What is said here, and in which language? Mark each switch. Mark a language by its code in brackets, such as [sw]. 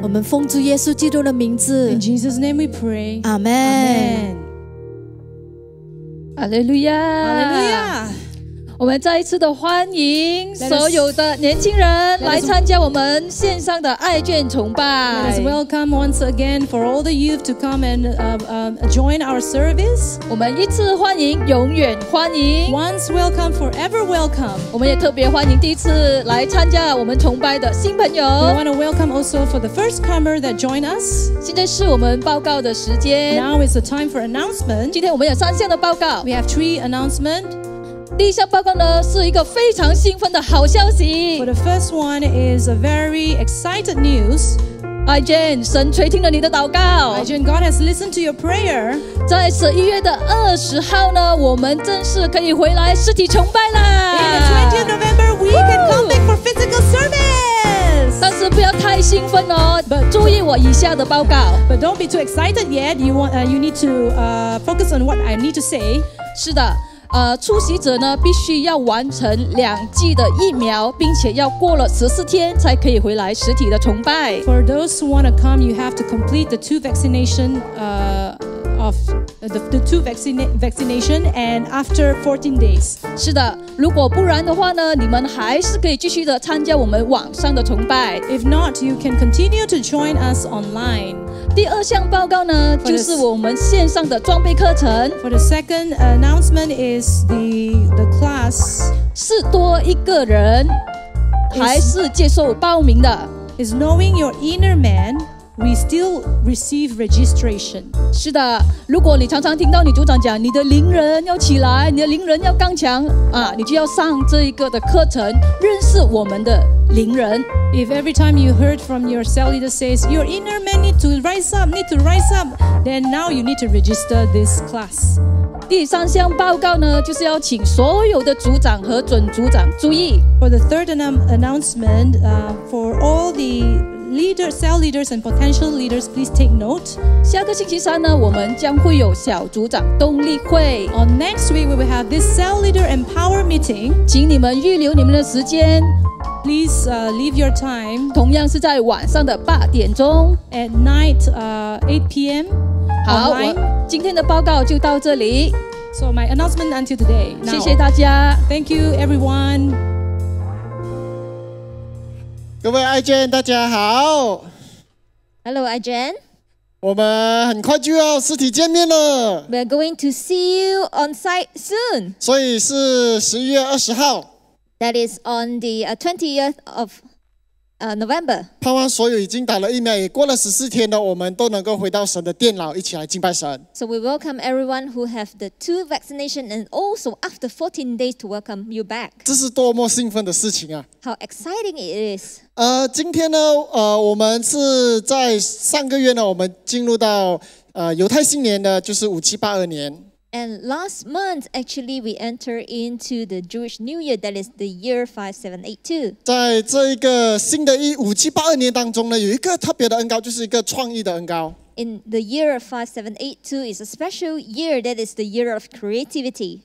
[zh] 我们奉主耶稣基督的名字 [en] in Jesus' name we pray, Amen, Hallelujah, Hallelujah. [zh] 我们再一次的欢迎所有的年轻人来参加我们线上的爱眷崇拜 [en] Let us welcome once again for all the youth to come and join our service [zh] 我们一次欢迎永远欢迎 [en] Once welcome forever welcome [zh] 我们也特别欢迎第一次来参加我们崇拜的新朋友 [en] We want to welcome also for the first comer that join us [zh] 现在是我们报告的时间 [en] Now is the time for announcement [zh] 今天我们有三项的报告 [en] We have three announcement [zh] 第一项报告呢是一个非常兴奋的好消息 [en] For the first one is a very excited news [zh] iGen 神垂听了你的祷告 [en] iGen God has listened to your prayer [zh] 在11月的20号呢我们正式可以回来实体崇拜啦 [en] In the 20th November we can come back for physical service [zh] 但是不要太兴奋哦 [en] But, [zh] 注意我以下的报告 [en] But don't be too excited yet you need to focus on what I need to say [zh] 是的出席者呢必须要完成两剂的疫苗并且要过了14天才可以回来实体的崇拜 [en] For those who want to come you have to complete the two vaccination of the two vaccination and after 14 days [zh] 是的如果不然的话呢你们还是可以继续的参加我们网上的崇拜 [en] If not you can continue to join us online [zh] 第二项报告呢就是我们线上的装备课程 [en] For the second announcement is the class [zh] 是多一个人还是接受报名的 [en] Is knowing your inner man We still receive registration [zh] 是的如果你常常听到你组长讲你的灵人要起来你的灵人要刚强啊，你就要上这一个的课程认识我们的灵人 [en] If every time you heard from your cell leader says Your inner man need to rise up Then now you need to register this class [zh] 第三项报告呢就是要请所有的组长和准组长注意 [en] For the third announcement for all theLeader, cell leaders and potential leaders, please take note. [zh] 下个星期三呢，我们将会有小组长动力会。 [en] On next week, we will have this cell leader empower meeting. [zh] 请你们预留你们的时间。 [en] Please leave your time. [zh] 同样是在晚上的八点钟。 [en] At night, 8 p.m. [zh] 好，我今天的报告就到这里。 [en] So my announcement until today. Now, [zh] 谢谢大家。 [en] Thank you, everyone. [zh] 各位爱娟大家好 [en] Hello 爱娟 [zh] 我们很快就要实体见面了 [en] We're going to see you on site soon [zh] 所以是11月20号 [en] That is on the 20th of November [zh] 盼望所有已经打了疫苗也过了14天了我们都能够回到神的殿老一起来敬拜神 [en] So we welcome everyone who have the two vaccination and also after 14 days to welcome you back [zh] 这是多么兴奋的事情啊 [en] How exciting it is [zh] 今天呢我们是在上个月呢我们进入到犹太新年的就是5782年 [en] And last month actually we enter into the Jewish New Year that is the year 5782 [zh] 在这一个新的5782年当中呢有一个特别的恩膏就是一个创意的恩膏 [en] In the year of 5782 is a special year that is the year of creativity